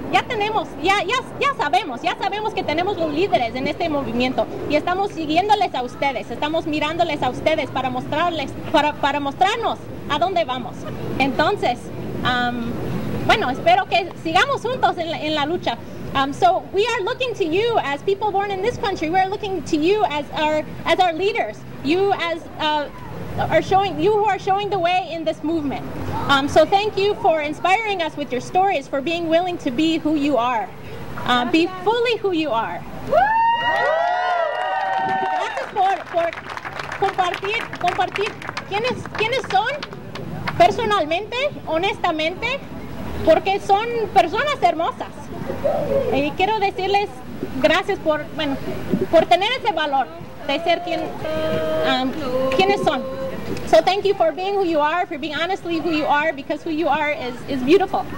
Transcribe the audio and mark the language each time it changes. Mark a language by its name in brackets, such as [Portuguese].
[Spanish] Ya tenemos, ya sabemos que tenemos los líderes en este movimiento y estamos siguiéndoles a ustedes, estamos mirándoles a ustedes para mostrarles, para mostrarnos a dónde vamos. Entonces, bueno, espero que sigamos juntos en la lucha. [English] So we are looking to you as people born in this country. We are looking to you as our leaders. You as who are showing the way in this movement. So thank you for inspiring us with your stories, for being willing to be who you are. Be fully who you are. [Spanish] Gracias por compartir quiénes son personalmente, honestamente. Porque son personas hermosas. Y quiero decirles gracias por tener ese valor de ser quienes son. [English] So thank you for being who you are, for being honestly who you are, because who you are is beautiful.